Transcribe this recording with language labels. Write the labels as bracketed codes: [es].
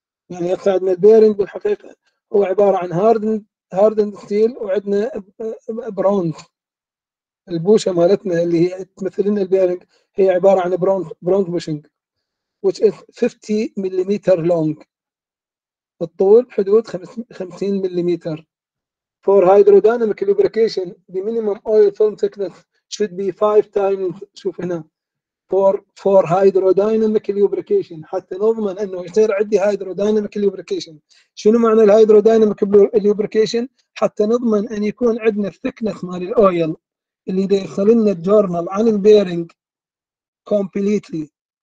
[ar] يعني عندنا البيرنج بالحقيقه هو عباره عن هاردند ستيل، وعندنا برونز البوشه مالتنا اللي هي تمثل لنا البيرنج هي عباره عن برونز بوشنج، [en] which is [ar] 50 مليمتر لونج، الطول حدود 50 مليمتر. [en] For hydrodynamic lubrication the minimum oil film thickness should be 5 times. [ar] شوف هنا [en] for hydrodynamic lubrication [ar] حتى نضمن انه يصير عندي hydrodynamic lubrication. شنو معنى hydrodynamic lubrication؟ حتى نضمن ان يكون عندنا thickness مال الاويل اللي يدخل لنا الجورنال عن البيرنج completely.